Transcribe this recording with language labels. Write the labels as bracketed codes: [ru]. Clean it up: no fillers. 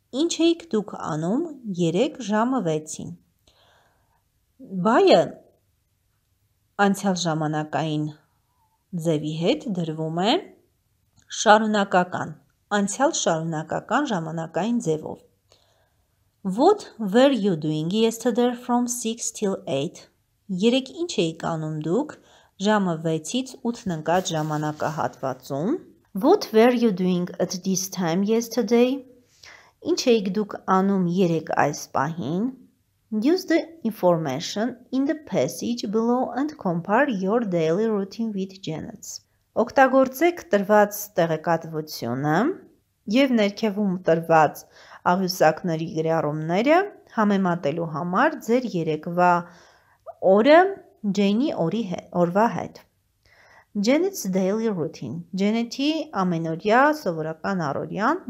[hy] Ինչ էիք դուք անում 3 ժամը 6-ին? Բայը անցյալ ժամանակային ձևի հետ դրվում է շարունակական, անցյալ շարունակական ժամանակային ձևով. [en] What were you doing yesterday from 6 till 8? [hy] Երեք ինչ էիք անում դուք ժամը 6-ից 8-ն ընկած ժամանակահատվածում? [en] What were you doing at this time yesterday? [hy] Ինչ էիք դուք անում 3 այս պահին? [en] Use the information in the passage below and compare your daily routine with Janet's. [hy] Օգտագործեք տրված տեղեկատվությունը եւ ներքևում տրված աղյուսակների գրառումները համեմատելու համար ձեր երեկվա օրը Jane-ի օրի հետ, օրվա հետ. [en] Janet's daily routine. [hy] Janet-ի ամենօրյա սովորական առօրյան.